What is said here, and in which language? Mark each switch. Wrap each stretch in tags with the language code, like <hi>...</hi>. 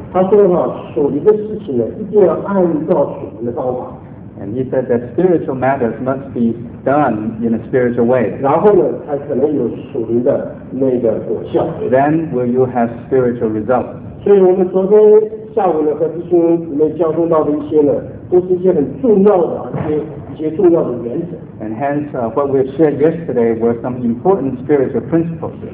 <zh>他说哈，守一个事情呢，一定要按照属灵的方法。</zh> <en>And he said that spiritual matters must be done in a spiritual way.</en> <zh>然后呢，它可能有属灵的那个果效。</zh> <en>Then will you have spiritual results?</en> <zh>所以我们昨天下午呢，和弟兄姊妹交通到的一些呢，都是一些很重要的一些重要的原则。</zh> <en>And hence, what we shared yesterday were some important spiritual principles.</en>